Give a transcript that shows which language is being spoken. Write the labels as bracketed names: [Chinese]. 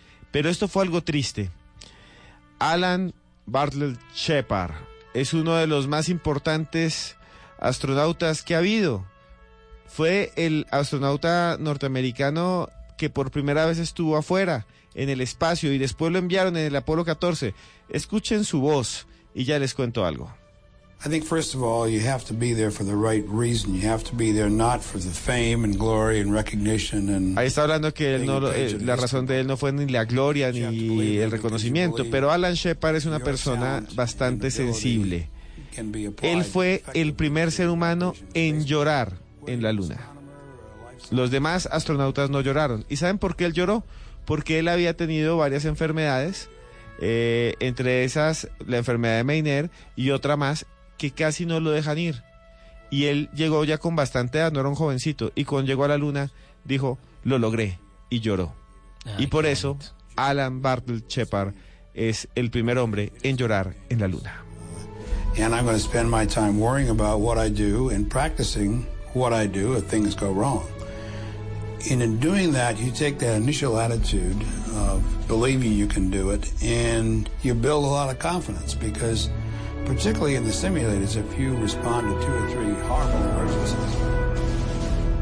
[Spanish] Pero esto fue algo triste. Alan Bartlett Shepard es uno de los más importantes astronautas que ha habido. Fue el astronauta norteamericano que por primera vez estuvo afuera, en el espacio, y después lo enviaron en el Apolo 14. Escuchen su voz y ya les cuento algo. [English] I think, first of all, you have to be there for the right reason. You have to be there not for the fame and glory and recognition and... [Spanish] Ahí está hablando que él no, la razón de él no fue ni la gloria ni el reconocimiento. Pero Alan Shepard es una persona bastante sensible. Él fue el primer ser humano en llorar en la Luna. Los demás astronautas no lloraron. ¿Y saben por qué él lloró? Porque él había tenido varias enfermedades, entre esas la enfermedad de Meniere y otra más, que casi no lo dejan ir. Y él llegó ya con bastante edad, no era un jovencito, y cuando llegó a la Luna, dijo, lo logré, y lloró. Y por eso, Alan Bartlett Shepard es el primer hombre en llorar en la Luna. [English] Y I'm going to spend my time worrying about what I do and practicing what I do if things go wrong. And in doing that, you take that initial attitude of believing you can do it, and you build a lot of confidence, because particularly in the simulators, if you respond to two or three horrible emergencies.